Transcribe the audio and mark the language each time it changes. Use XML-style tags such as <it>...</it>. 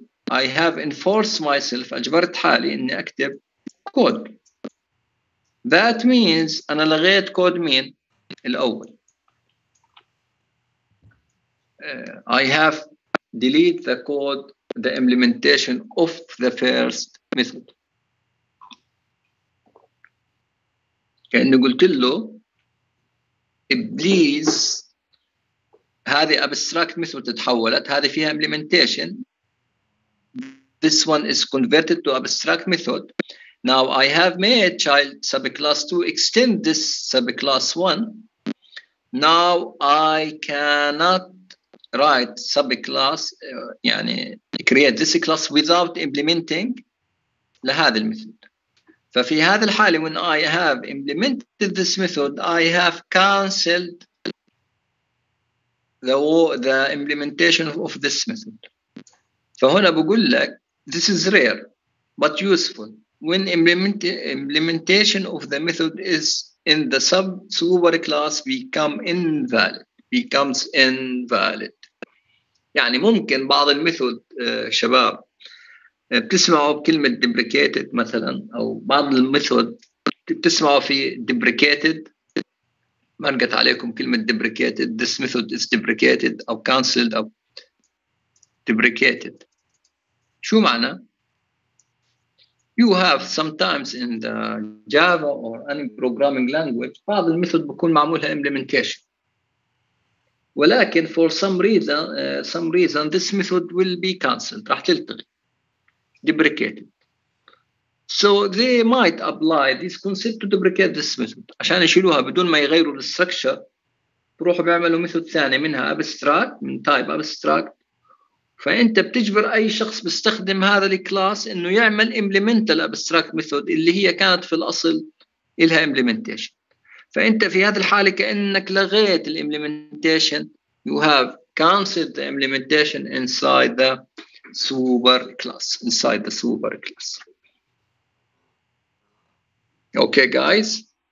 <en>I have enforced myself,</en> <ar>أجبرت حالي إني أكتب</ar> <en>code. That means</en> <ar>أنا لغيت code مين الأول.</ar> <en>I have deleted the code, the implementation of the first method.</en> <ar>كأنه قلت له please هذه abstract method تحولت, هذه فيها implementation.</ar> <en>This one is converted to abstract method. Now I have made child subclass 2 extend this subclass 1. Now I cannot write subclass, يعني create this class without implementing</en> <ar>لهذا الميثود. ففي هذه الحالة</ar> <en>when I have implemented this method, I have cancelled the implementation of this method.</en> <ar>فهنا بقول لك</ar> <en>this is rare but useful when implementation of the method is in the super class becomes invalid.</en> <ar>يعني ممكن بعض الميثود شباب بتسمعوا بكلمة deprecated مثلا, أو بعض الميثود بتسمعوا في deprecated, مرقت عليكم كلمة deprecated,</ar> <en>this method is deprecated</en> <ar>أو cancelled أو deprecated. شو معنى?</ar> <en>You have sometimes in the Java or any programming language</en> <ar>بعض الميثود بكون معمولها</ar> <en>implementation, ولكن for some reason this method will be cancelled,</en> <ar>راح تلتغي.</ar> <en>deprecated. So they might apply this concept to deprecate this method.</en> <ar>عشان يشيلوها بدون ما يغيروا الستركشر بروحوا بيعملوا ميثود ثاني منها abstract من type abstract. فأنت بتجبر أي شخص بيستخدم هذا الكلاس إنه يعمل implemental abstract method اللي هي كانت في الأصل إلها implementation. فأنت في هذه الحالة كأنك لغيت الـ implementation.</ar> <en>You have canceled the implementation inside the super class. Inside the super class. Okay, guys.</en>